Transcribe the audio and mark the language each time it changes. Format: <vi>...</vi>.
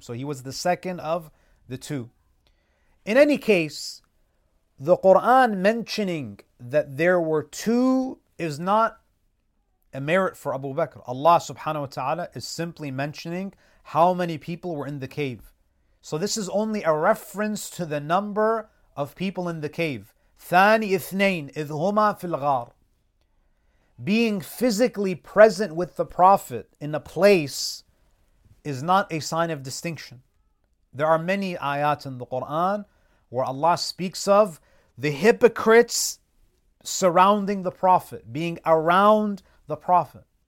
<en>So he was the second of the two. In any case, the Quran mentioning that there were two is not a merit for Abu Bakr. Allah subhanahu wa ta'ala is simply mentioning how many people were in the cave. So this is only a reference to the number of people in the cave.</en> <ar>ثاني اثنين إذ هما في الغار.</ar> <en>Being physically present with the Prophet in a place is not a sign of distinction. There are many ayat in the Quran where Allah speaks of the hypocrites surrounding the Prophet, being around the Prophet.</en>